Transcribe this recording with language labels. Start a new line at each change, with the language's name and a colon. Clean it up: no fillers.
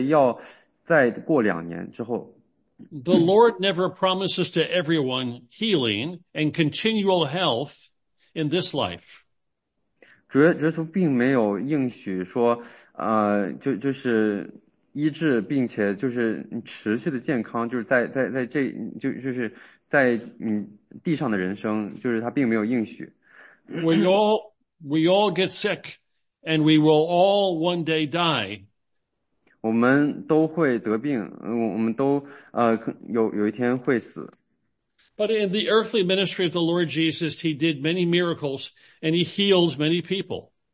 Chinese: 在地上的这个事工，他去医治很多很多人，并没有提到十字架，因为上十字架这件事呢，还要再过2年之后。
English: The Lord never promises to everyone healing and continual health in this life.
Chinese: 耶稣并没有应许说，就是医治并且就是持续的健康，就是在这就是在你地上的人生，就是他并没有应许。
English: We all get sick and we will all one day die.
Chinese: 我们都会得病，我们都有一天会死。
English: But in the earthly ministry of the Lord Jesus, he did many miracles and he heals many people.